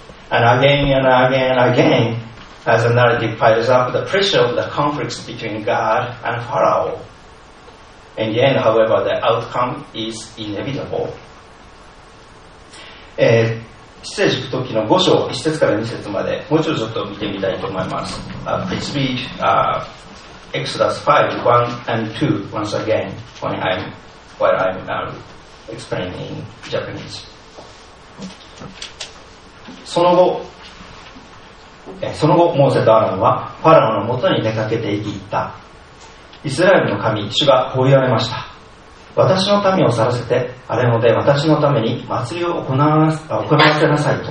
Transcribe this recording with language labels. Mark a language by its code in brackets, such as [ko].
[en] And again. As the narrative piles up, the pressure of the conflicts between God and Pharaoh. In the end, however, the outcome is inevitable. [ja] 出エジプト記の5章、1節から2節まで、もう一度ちょっと見てみたいと思います。 [en] Please read Exodus 5, 1 and 2 once again, while I'm explaining Japanese. [ja] その後、モーセとアロンはファラオのもとに出かけていった。イスラエルの神主がこう言われました。私の民を去らせて、あれので私のために祭りを行わせなさいと。